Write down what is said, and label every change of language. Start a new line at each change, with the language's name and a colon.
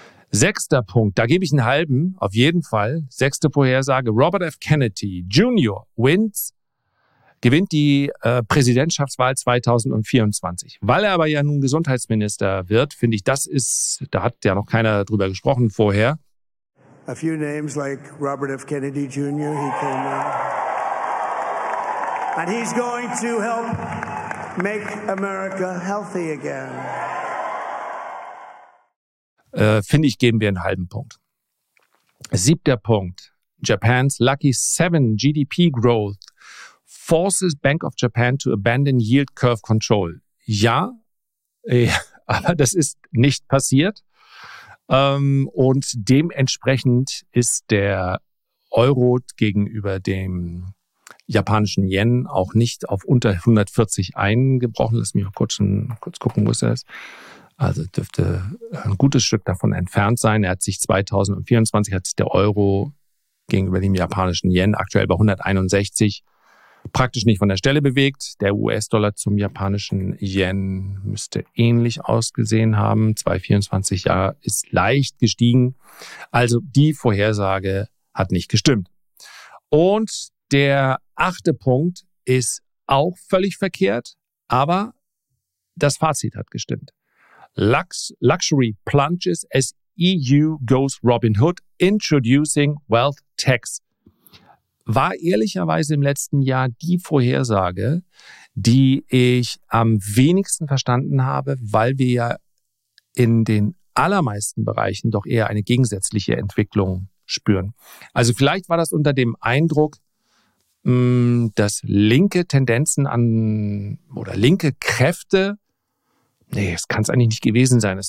German: Sechster Punkt, da gebe ich einen halben, auf jeden Fall. Sechste Vorhersage, Robert F. Kennedy Jr. gewinnt die Präsidentschaftswahl 2024. Weil er aber ja nun Gesundheitsminister wird, finde ich, das ist, da hat ja noch keiner drüber gesprochen vorher.
English: A few names like Robert F. Kennedy Jr., he came in. And he's going to help make America healthy again.
German: Finde ich, geben wir einen halben Punkt. Siebter Punkt.
English: Japan's Lucky Seven GDP Growth forces Bank of Japan to abandon yield curve control.
German: Ja, aber das ist nicht passiert. Und dementsprechend ist der Euro gegenüber dem japanischen Yen auch nicht auf unter 140 eingebrochen. Lass mich mal kurz gucken, wo ist er. Also dürfte ein gutes Stück davon entfernt sein. Er hat sich 2024, hat sich der Euro gegenüber dem japanischen Yen aktuell bei 161 praktisch nicht von der Stelle bewegt. Der US-Dollar zum japanischen Yen müsste ähnlich ausgesehen haben. 2024 ja, ist leicht gestiegen. Also die Vorhersage hat nicht gestimmt. Und der achte Punkt ist auch völlig verkehrt, aber das Fazit hat gestimmt.
English: Luxury plunges as EU goes Robin Hood, introducing wealth tax.
German: War ehrlicherweise im letzten Jahr die Vorhersage, die ich am wenigsten verstanden habe, weil wir ja in den allermeisten Bereichen doch eher eine gegensätzliche Entwicklung spüren. Also vielleicht war das unter dem Eindruck, dass linke Tendenzen an oder linke Kräfte, nee, das kann es eigentlich nicht gewesen sein.